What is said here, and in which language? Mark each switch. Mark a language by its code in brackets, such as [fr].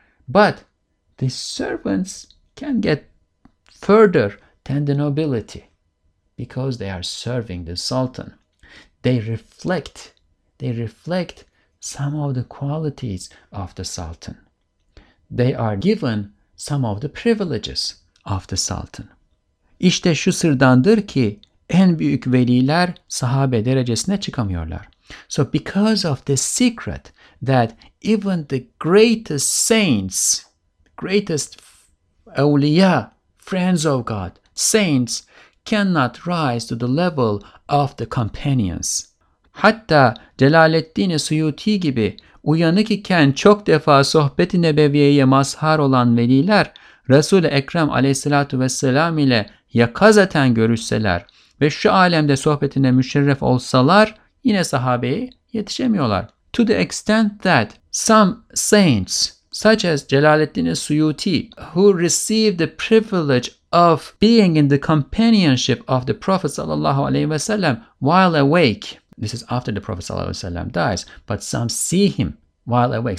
[en] But the servants can get further than the nobility because they are serving the sultan. They reflect some of the qualities of the sultan. They are given some of the privileges of the sultan. [tr] İşte şu sırdandır ki en büyük veliler sahabe derecesine çıkamıyorlar. [en] So because of the secret that even the greatest saints, greatest awliya, friends of God, saints, cannot rise to the level of the companions. [tr] Hatta Celaleddin-i Suyuti gibi uyanık iken çok defa sohbet-i nebeviyeye mazhar olan veliler Resul-i Ekrem aleyhissalatu vesselam ile yakazaten görüşseler ve şu alemde sohbetine müşerref olsalar yine sahabeye yetişemiyorlar. [en] To the extent that some saints such as Celaleddin-i Suyuti who received the privilege of being in the companionship of the Prophet sallallahu aleyhi ve sellem while awake. This is after the Prophet sallallahu aleyhi ve sellem dies, but some see him while awake.